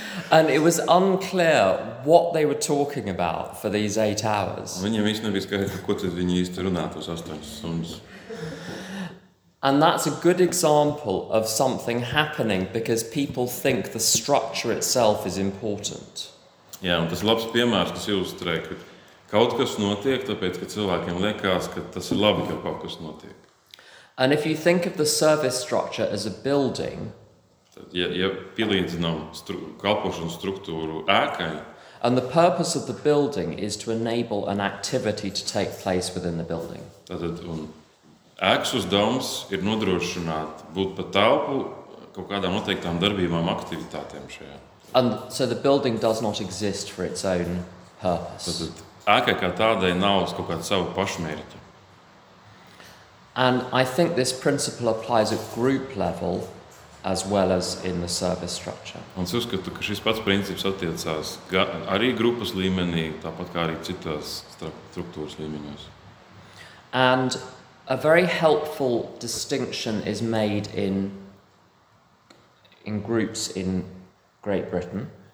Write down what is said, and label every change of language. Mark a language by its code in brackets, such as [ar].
[en] And it was unclear what they were talking about for these 8 hours. [lv] Viņiem īsti nebija skaidrs, ko tad viņi īsti runātu uz 8 stundas. [en] And that's a good example of something happening because people think the structure itself is important. [lv] Jā, un tas ir labs piemērs, kas ilustrē, ka kaut kas notiek, tāpēc, ka cilvēkiem liekas, ka tas ir labi, ka kaut kas notiek. [en] And if you think of the service structure as a building, [lv] ja pielīdzinām kalpošanu struktūru ēkai, [en] and the purpose of the building is to enable an activity to take place within the building. [lv] Tātad, un ēkas uzdevums ir nodrošināt būt pa telpu kaut kādām noteiktām darbībām aktivitātēm šajā. [en] And so the building does not exist for its own purpose. [lv] Tātad, ēkai kā tādai nav uz kaut kādu savu pašmērķi. [en] And I think this principle applies at group level as well as in the service structure. [lv] Un es uzskatu, ka šis pats princips attiecās arī grupas līmenī, tāpat kā arī citās struktūras līmeņos. [en] And a very helpful distinction is made in groups in Great Britain.